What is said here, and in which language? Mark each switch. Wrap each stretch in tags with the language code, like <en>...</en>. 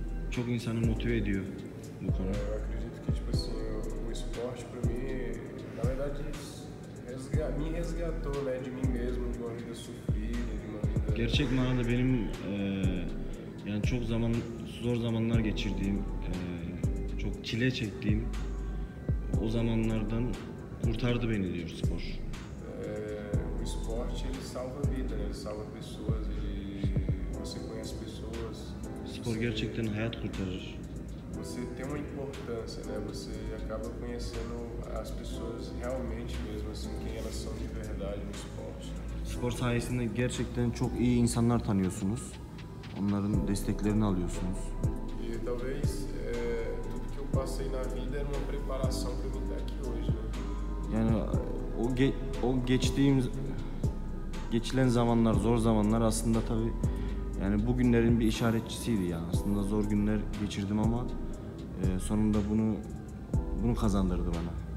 <tr>Çok insanı motive ediyor bu konu.</tr> <pt>Acredito que tipo assim, o esporte para mim, na verdade, é Minha resgatou, né, de mim mesmo, de uma vida sofrida, de uma vida...</pt> <tr>Gerçek manada benim yani çok zaman zor zamanlar geçirdiğim, çok çile çektiğim o zamanlardan kurtardı beni diyor spor.</tr> <pt>O esporte ele salva vida, ele salva pessoas, ele você conhece pessoas.</pt> <tr>Spor gerçekten hayat kurtarır.</tr> <pt>Você tem uma importância, né? Você acaba conhecendo as pessoas realmente mesmo assim quem elas são de verdade no esporte.</pt> <tr>Spor sayesinde gerçekten çok iyi insanlar tanıyorsunuz. Onların desteklerini alıyorsunuz.</tr> <pt>E talvez tudo que eu passei na vida era uma preparação para eu estar aqui hoje.</pt> <tr>Yani geçilen zamanlar, zor zamanlar aslında tabii yani bugünlerin bir işaretçisiydi ya. Aslında zor günler geçirdim ama sonunda bunu kazandırdı bana.</tr>